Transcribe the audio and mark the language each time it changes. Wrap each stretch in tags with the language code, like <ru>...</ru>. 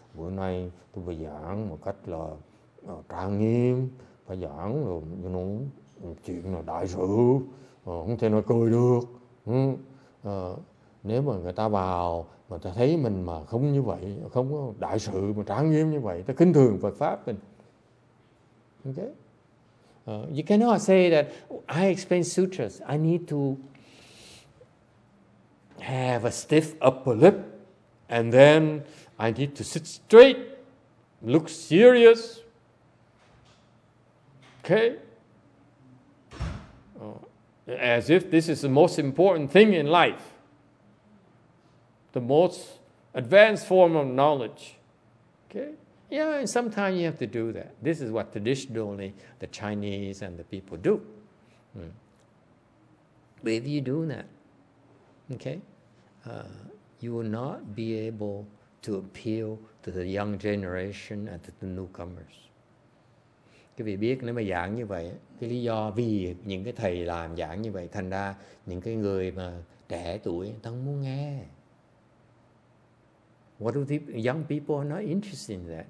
<vi>Bữa nay tôi phải giảng một cách là trang nghiêm. Phải giảng rồi như nó chuyện là đại sự. Không thể nói cười được. Nếu mà người ta vào mà ta thấy mình mà không như vậy, không có đại sự mà trang nghiêm như vậy, ta khinh thường Phật Pháp mình.</vi> <en>Okay. You cannot say that I explain sutras, I need to have a stiff upper lip. And then I need to sit straight, look serious. Okay? As if this is the most important thing in life. The most advanced form of knowledge. Okay? Yeah, and sometimes you have to do that. This is what traditionally the Chinese and the people do. But if you do that, okay, you will not be able to appeal to the young generation and to the newcomers.</en> <vi>Các vị biết nếu mà giảng như vậy, cái lý do vì những cái thầy làm giảng như vậy, thành ra những cái người mà trẻ tuổi, ta không muốn nghe.</vi> <en>What do the young people are not interested in that?</en>